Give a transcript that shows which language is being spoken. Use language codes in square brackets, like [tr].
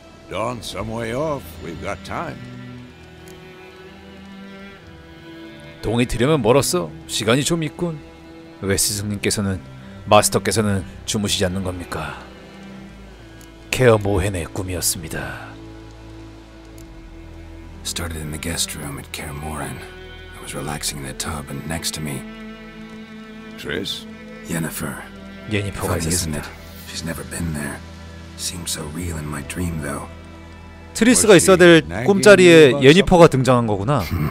[en] Dawn, some way off. We've got time. [ko] 동이 들으면 멀었어. 시간이 좀 있군. 왜 스승님께서는, 마스터께서는 주무시지 않는 겁니까? 케어 모헨의 꿈이었습니다. [en] Started in the guest room at Kaer Morhen. I was relaxing in the tub, and next to me, Triss, Yennefer. Yennefer, isn't it? She's never been there. Seems so real in my dream, though. [ko] 트리스가 있어야 될 꿈자리에 예니퍼가 등장한 거구나.